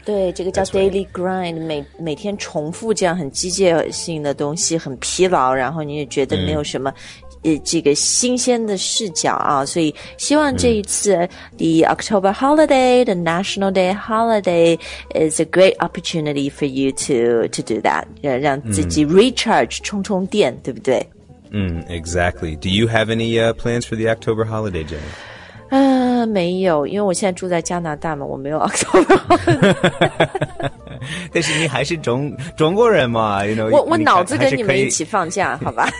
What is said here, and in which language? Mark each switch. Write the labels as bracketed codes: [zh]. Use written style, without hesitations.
[zh] 对，这个叫 [en] daily grind, [zh] 每天重复这样很机械性的东西，很疲劳，然后你也觉得没有什么这个新鲜的视角啊，所以希望这一次 [en] the October holiday, the National Day holiday is a great opportunity for you to do that, [zh] 让自己 [en] recharge, [zh] 充充电，对不对？ [en] Exactly. Do you have any plans for the October holiday, Jenny? [zh] 没有，因为我现在住在加拿大嘛，我没有 [en] October holiday。 [zh] 但是你还是中国人嘛 ， [en] you know。 [zh] 我脑子跟你们一起放假，好吧？